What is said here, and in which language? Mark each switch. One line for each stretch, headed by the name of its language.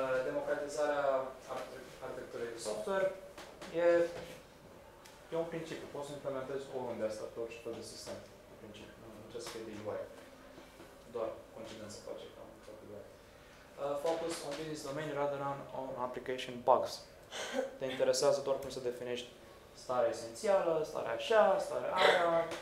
Romanian: Democratizarea arhitecturii de software e un principiu. Poți să implementezi oriunde asta pe orice fel de sistem. În principiu, nu ce să fie de UI. Doar coincidență face ca un fel de UI.
English: Focus on business domain rather than on application bugs.
Romanian: Te interesează doar cum să definești starea esențială, starea așa, starea aia.